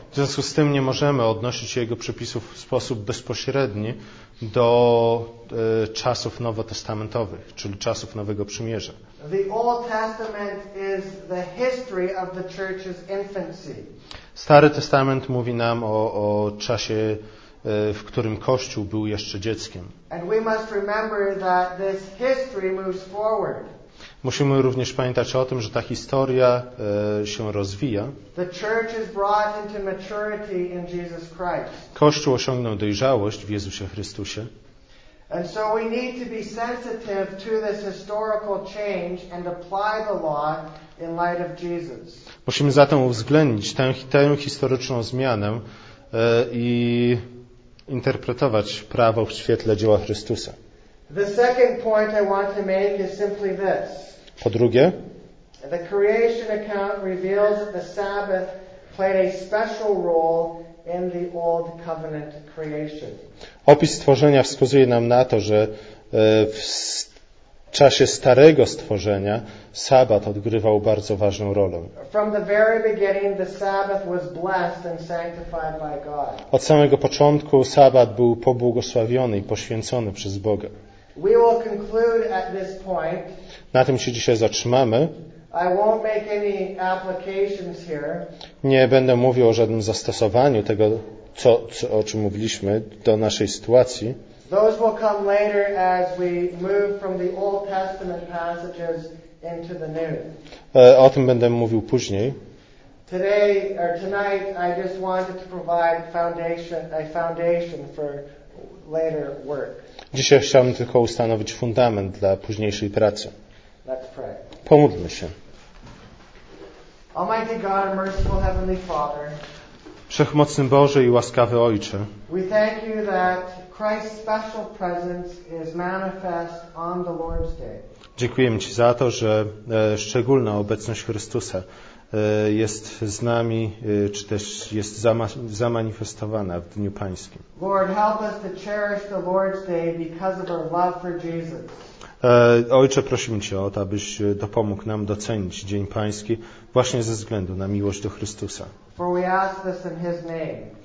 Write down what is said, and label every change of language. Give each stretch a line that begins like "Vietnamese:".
Polish: W związku z tym nie możemy odnosić jego przepisów w sposób bezpośredni do czasów nowotestamentowych, czyli czasów Nowego Przymierza.
English: The Old Testament is the history of the church's infancy.
Polish: Stary Testament mówi nam o czasie w którym Kościół był jeszcze dzieckiem.
English: And we must remember that this history moves forward.
Polish: Musimy również pamiętać o tym, że ta historia się rozwija.
English: The church is brought into maturity in Jesus Christ.
Polish: Kościół osiągnął dojrzałość w Jezusie Chrystusie.
English: And so we need to be sensitive to this historical change and apply the law in light of Jesus.
Polish: Musimy zatem uwzględnić tę historyczną zmianę i interpretować prawo w świetle dzieła Chrystusa.
English: The second point I want to make is simply this.
Polish: Po drugie,
English: the creation account reveals that the Sabbath played a special role in the old covenant creation.
Polish: Opis stworzenia wskazuje nam na to, że w czasie starego stworzenia sabat odgrywał bardzo ważną rolę.
English: From the very beginning the Sabbath was blessed and sanctified by God.
Polish: Od samego początku sabat był pobłogosławiony i poświęcony przez Boga.
English: We will conclude at this point.
Polish: Na tym się dzisiaj zatrzymamy.
English: I won't make any applications here.
Polish: Nie będę mówił o żadnym zastosowaniu tego, o czym mówiliśmy, do naszej sytuacji.
English: Those will come later as we move from the Old Testament passages into the New.
Polish: O tym będę mówił później.
English: Today or tonight, I just wanted to provide a foundation for later work.
Polish: Dzisiaj chciałbym tylko ustanowić fundament dla późniejszej pracy.
English: Let's pray.
Polish: Pomódlmy się.
English: Almighty God and merciful Heavenly Father,
Polish: Wszechmocny Boże i łaskawy Ojcze,
English: we thank you that Christ's special presence is manifest on the Lord's Day.
Polish: Dziękujemy Ci za to, że szczególna obecność Chrystusa jest z nami, czy też jest zamanifestowana w Dniu Pańskim.
English: Lord, help us to cherish the Lord's Day because of our love for Jesus.
Polish: Ojcze, prosimy Cię o to, abyś dopomógł nam docenić Dzień Pański właśnie ze względu na miłość do Chrystusa.
English: For we ask this in His name.